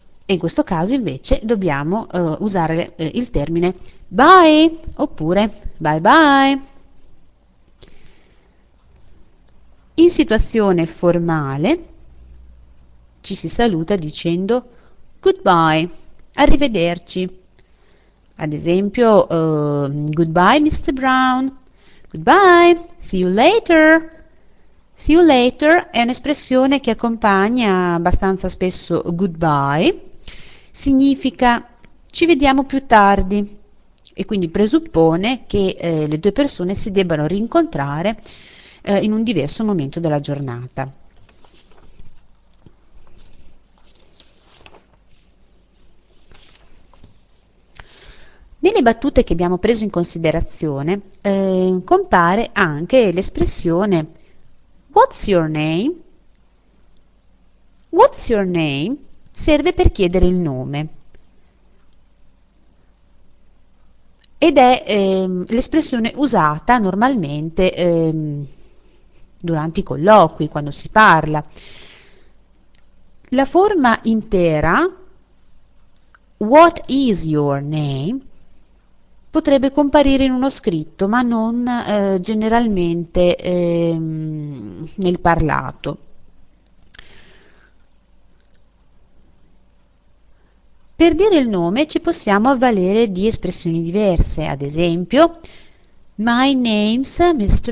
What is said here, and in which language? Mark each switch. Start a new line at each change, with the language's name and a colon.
Italian: E in questo caso invece dobbiamo usare il termine bye oppure bye bye. In situazione formale ci si saluta dicendo goodbye, arrivederci. Ad esempio, goodbye Mr.
English: Brown, goodbye, see you later. See you later
Italian: è un'espressione che accompagna abbastanza spesso goodbye. Significa ci vediamo più tardi e quindi presuppone che le due persone si debbano rincontrare in un diverso momento della giornata. Nelle battute che abbiamo preso in considerazione compare anche l'espressione
English: What's your name? What's your name?
Italian: Serve per chiedere il nome ed è l'espressione usata normalmente durante i colloqui, quando si parla. La forma intera,
English: What is your name?
Italian: Potrebbe comparire in uno scritto, ma non generalmente nel parlato. Per dire il nome ci possiamo avvalere di espressioni diverse, ad esempio,
English: My name's Mr.